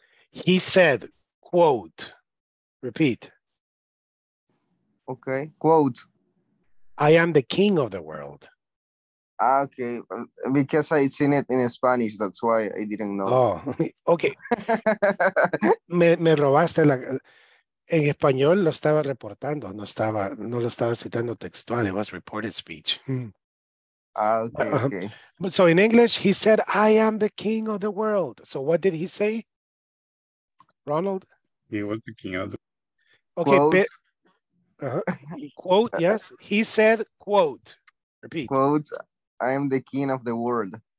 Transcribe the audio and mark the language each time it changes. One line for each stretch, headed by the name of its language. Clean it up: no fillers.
English: He said, quote, repeat. Okay, quote. I am the king of the world. Okay, because I seen it in Spanish, that's why I didn't know.
Spanish: Oh, okay. me robaste la... En español lo estaba reportando, no lo estaba citando textual,
English: it was reported speech. Okay. So in English, he said, I am the king of the world. So what did he say, Ronald? He was the king of the world. Okay, quote, yes. He said, quote, repeat. Quote, I am the king of the world.